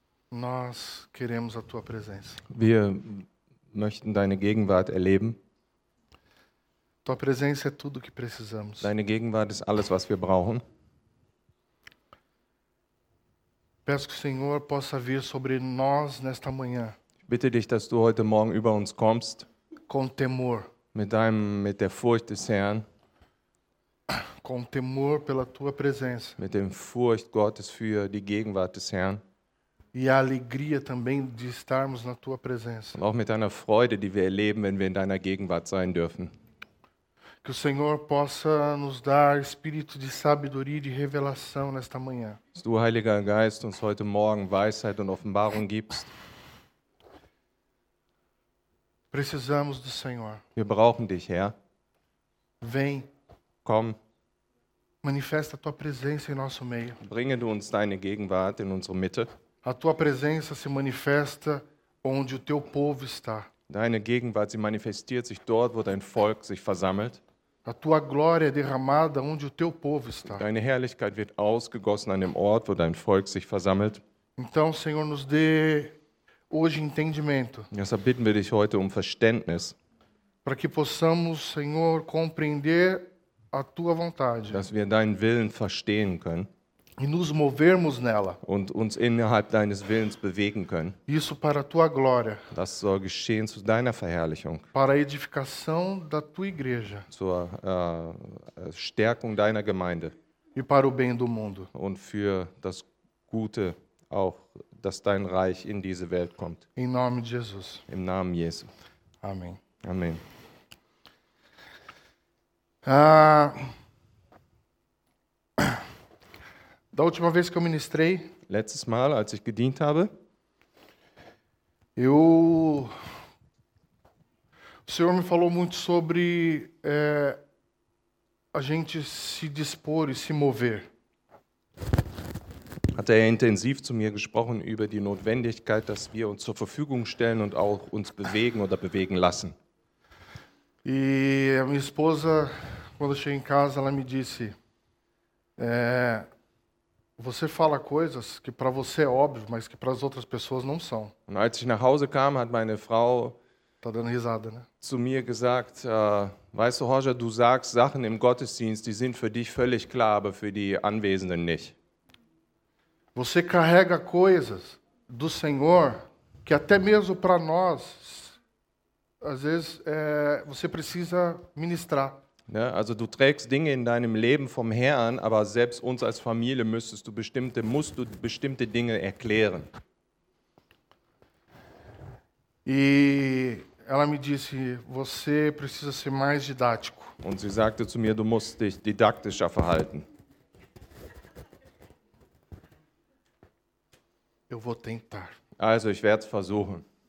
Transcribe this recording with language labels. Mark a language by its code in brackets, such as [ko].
[pt] Nós queremos a tua presença. [de] wir möchten deine Gegenwart erleben. [pt] Tua presença é tudo o que precisamos. [de] Deine Gegenwart ist alles, was wir brauchen. [pt] Peço que o Senhor possa vir sobre nós nesta manhã. [de] Ich bitte dich, dass du heute Morgen über uns kommst, [pt] Com temor. [de] mit der Furcht des Herrn, [pt] Com temor pela tua presença. [de] mit dem Furcht Gottes für die Gegenwart des Herrn. [pt] E a alegria também de estarmos na tua presença. [de] Und auch mit einer Freude, die wir erleben, wenn wir in deiner Gegenwart sein dürfen. [pt] Que o Senhor possa nos dar espírito de sabedoria e de revelação nesta manhã. [de] Dass du, Heiliger Geist, uns heute Morgen Weisheit und Offenbarung gibst. [pt] Precisamos do Senhor. [de] Wir brauchen dich, Herr. [pt] Vem. [de] Komm. [pt] Manifesta a tua presença em nosso meio. [de] Bringe du uns deine Gegenwart in unsere Mitte. [pt] A tua presença se manifesta onde o teu povo está. [de] Deine Gegenwart, sie manifestiert sich dort, wo dein Volk sich versammelt. [pt] A tua glória é derramada onde o teu povo está. [de] Deine Herrlichkeit wird ausgegossen an dem Ort, wo dein Volk sich versammelt. [pt] Então, Senhor, nos dê hoje entendimento. [de] Deshalb bitten wir dich heute um Verständnis. [pt] Para que possamos, Senhor, compreender a tua vontade. [de] Dass wir deinen Willen verstehen können. [pt] E nos movermos nela. [de] Und uns innerhalb deines Willens bewegen können. [pt] Isso para a tua glória. [de] Das soll geschehen zu deiner Verherrlichung. [pt] Para a edificação da tua igreja. [de] Zur Stärkung deiner Gemeinde. [pt] E para o bem do mundo. [de] Und für das Gute auch, dass dein Reich in diese Welt kommt. [pt] Em nome de Jesus. [de] Im Namen Jesu. [pt] Amém. [de] Amen. [pt] Da última vez que eu ministrei, [de] letztes Mal, als ich gedient habe, [pt] eu, o Senhor me falou muito sobre a gente se dispor e se mover. [de] Hat er intensiv zu mir gesprochen über die Notwendigkeit, dass wir uns zur Verfügung stellen und auch uns bewegen oder bewegen lassen. [pt] E a minha esposa, quando eu cheguei em casa, ela me disse, você fala coisas que para você é óbvio, mas que para as outras pessoas não são. [de] Und als ich nach Hause kam, hat meine Frau [pt] tá dando risada, né? [de] Zu mir gesagt, weißt du, Roger, du sagst Sachen im Gottesdienst, die sind für dich völlig klar, aber für die Anwesenden nicht. [pt] Você carrega coisas do Senhor que até mesmo para nós às vezes você precisa ministrar. [de] Ja, also du trägst Dinge in deinem Leben vom Herrn, aber selbst uns als Familie musst du bestimmte Dinge erklären. [pt] E ela me disse, você precisa ser mais didático. [de] Und sie sagte zu mir, du musst dich didaktischer verhalten. [pt] Eu vou tentar. [de] Also ich werde es versuchen.